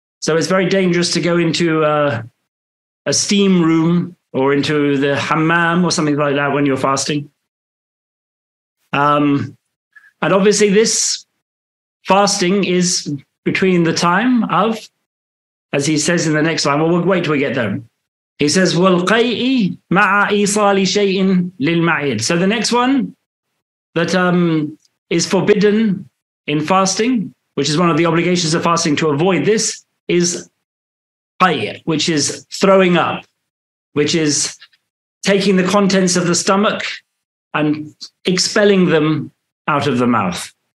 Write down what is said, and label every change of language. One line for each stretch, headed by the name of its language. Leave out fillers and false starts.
English: So it's very dangerous to go into a steam room or into the hammam or something like that when you're fasting. And obviously this fasting is between the time of, as he says in the next line, well, we'll wait till we get there. He says,
Arabic: وَالْقَيْءِ مَعَ إِيصَالِ شَيْءٍ لِلْمَعِيدِ.
English: So the next one that is forbidden in fasting, which is one of the obligations of fasting to avoid this, is qay, which is throwing up, which is taking the contents of the stomach and expelling them out of the mouth.